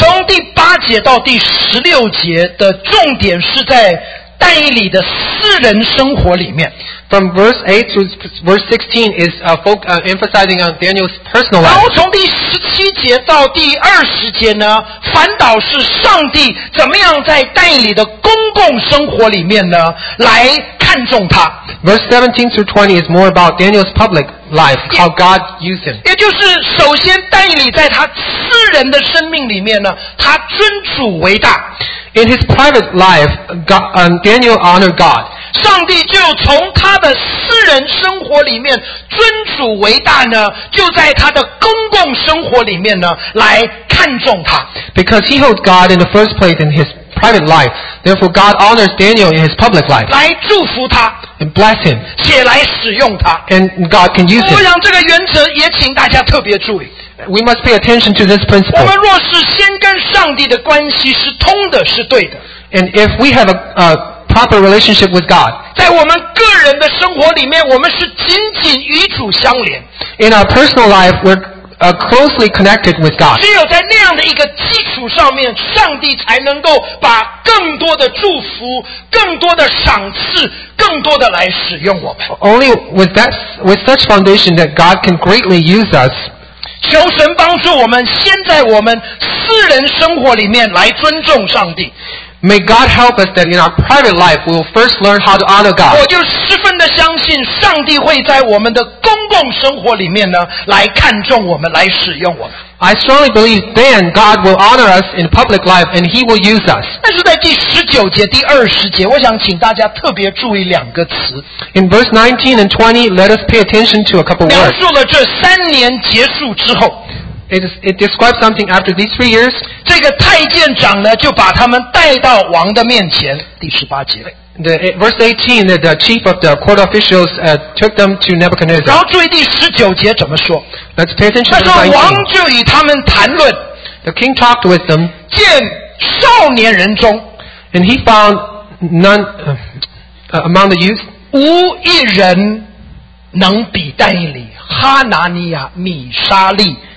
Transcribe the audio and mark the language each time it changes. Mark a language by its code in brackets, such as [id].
[zh] 从第八节到第十六节的重点是在但以理的私人生活里面。 [en] From verse 8 to verse 16 is emphasizing on Daniel's personal life. [zh] 然后从第17节到第20节呢，反倒是上帝怎么样在但以理的公共生活里面呢，来看重他。 [en] Verse 17 through 20 is more about Daniel's public life, how God used him. [zh] 也就是首先但以理在他私人的生命里面呢，他尊主为大。 [en] In his private life, Daniel honored God. [zh] 上帝就从他的私人生活里面尊主为大呢，就在他的公共生活里面呢来看重他。 [en] Because he held God in the first place in his private life, therefore God honors Daniel in his public life. [zh] 来祝福他。 [en] And bless him. [zh] 且来使用他。 [en] And God can use him. [zh] 我想这个原则也请大家特别注意。 [en] We must pay attention to this principle. [zh] 我们若是先跟上帝的关系是通的，是对的。 [en] And if we have a proper relationship with God, [zh] 在我们个人的生活里面，我们是紧紧与主相连。 [en] In our personal life, we're closely connected with God. [zh] 只有在那样的一个基础上面，上帝才能够把更多的祝福、更多的赏赐、更多的来使用我们。 [en] Only with such foundation that God can greatly use us. [zh] 求神帮助我们先在我们私人生活里面来尊重上帝。 [en] May God help us that in our private life we will first learn how to honor God. [zh] 我就十分的相信上帝会在我们的公共生活里面呢来看重我们，来使用我们。 [en] I strongly believe then God will honor us in public life and he will use us. [zh] 但是在第十九节第二十节我想请大家特别注意两个词。 [en] In verse 19 and 20, let us pay attention to a couple words. [zh] 描述了这三年结束之后。 [en] It describes something after these 3 years. [zh] 这个太监长呢就把他们带到王的面前。第十八节。 [en] Verse 18, the chief of the court officials took them to Nebuchadnezzar. [zh] 然后注意第十九节怎么说。 [en] Let's pay attention to [zh] 19. 他说王就与他们谈论。 [en] The king talked with them. [zh] 见少年人中。 [en] And he found among the youth. [zh] 无一人能比但以理、哈拿尼亚、米沙利。